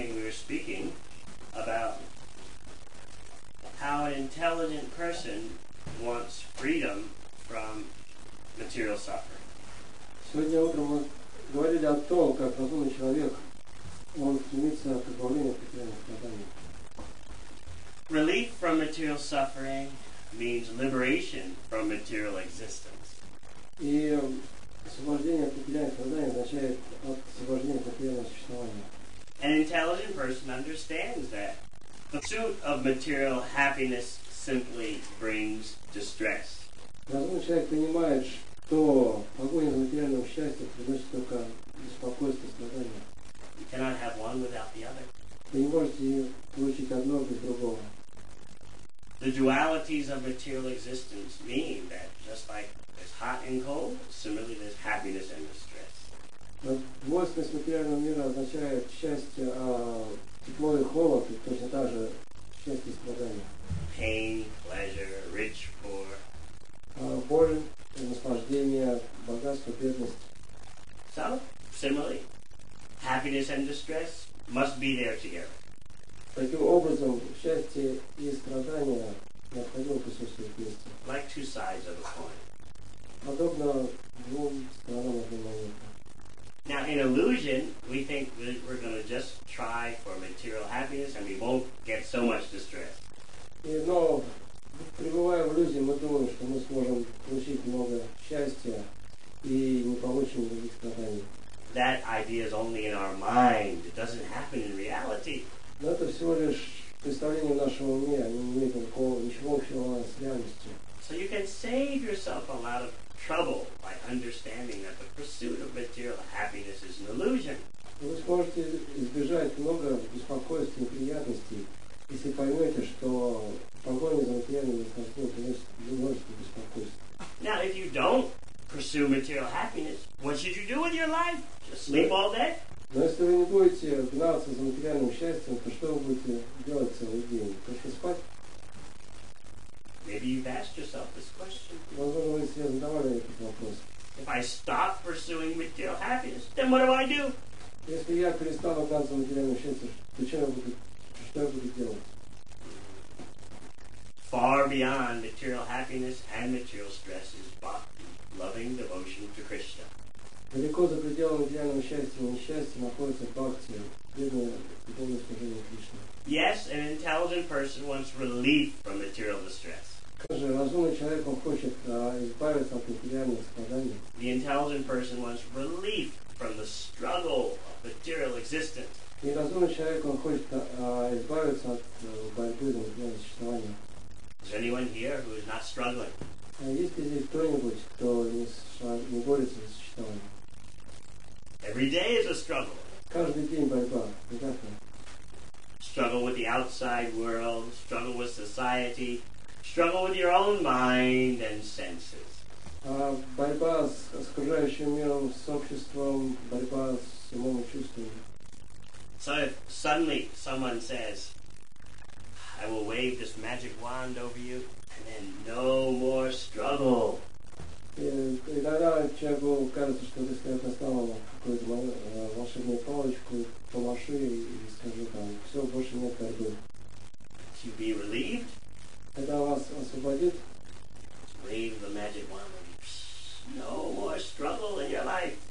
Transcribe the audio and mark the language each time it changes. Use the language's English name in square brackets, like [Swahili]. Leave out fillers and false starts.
[English] Speaking about how an intelligent person wants freedom from material suffering. [Russian] Сегодня утром мы говорили о том, как разумный человек он стремится к избавлению от материальных страданий. [English] Relief from material suffering means liberation from material existence. [Russian] И освобождение от материальных страданий означает освобождение от материального существования. [English] An intelligent person understands that the pursuit of material happiness simply brings distress. [Russian] Разумный человек понимает, что погоня за материальным счастьем приносит только беспокойство, страдания. [English] You cannot have one without the other. [Russian] Вы не можете получить одно без другого. [English] The dualities of material existence mean that just like there's hot and cold, similarly there's happiness and distress. [Russian] Двойственность материального мира означает счастье, тепло и холод, и точно так же счастье и страдания. [English] Pain, pleasure, rich, poor. [Russian] Боль, наслаждение, богатство, бедность. [English] So, similarly, happiness and distress must be there together. [Russian] Таким образом, счастье и страдания необходимо присутствовать вместе. [English] Like two sides of a coin. [Russian] Подобно двум сторонам одной монеты. [English] Now, in illusion, we think that we're going to just try for material happiness and we won't get so much distress. [Russian] Но, пребывая в иллюзии, мы думаем, что мы сможем получить много счастья и не получим никаких страданий. [English] That idea is only in our mind. It doesn't happen in reality. [Russian] Но это всего лишь представление в нашем уме. Оно не имеет ничего общего с реальностью. [English] So you can save yourself a lot of trouble by understanding that the pursuit of material happiness is an illusion. [Russian] Вы сможете избежать много беспокойств и неприятностей, если поймете, что погоня за материальным наслаждением приносит беспокойство. [English] Now, if you don't pursue material happiness, what should you do with your life? Just sleep all day? [Russian] Но если вы не будете гнаться за материальным счастьем, то что вы будете делать целый день? Просто спать? [English] Maybe you've asked yourself this question. If I stop pursuing material happiness, then what do? [Russian] Если я перестал гнаться за материальным счастьем, то что я буду делать? [English] Far beyond material happiness and material stress is bhakti, loving devotion to Krishna. [Russian] Далеко за пределами материального счастья и несчастья находится бхакти, преданное служение Кришне. [English] Yes, an intelligent person wants relief from material distress. [Russian] Также разумный человек хочет избавиться от материальных страданий. [English] The intelligent person wants relief from the struggle of material existence. [Russian] И разумный человек хочет избавиться от борьбы за материальное существование. [English] Is there anyone here who is not struggling? [Russian] Есть ли здесь кто-нибудь, кто не борется за существование? [English] Every day is a struggle. [Russian] Каждый день борьба. [English] Exactly. Struggle with the outside world, struggle with society, struggle with your own mind and senses. [Russian] Борьба с окружающим миром, с обществом, борьба с умом и чувствами. [English] So if suddenly someone says, I will wave this magic wand over you, and then no more struggle. [Russian] И тогда человеку кажется, что ты скажешь, достану какую-то волшебную палочку, помаши и скажу там, все, больше нет борьбы. [English] To be relieved? [Russian] Когда вас освободит? [English] Wave the magic wand. No more struggle in your life.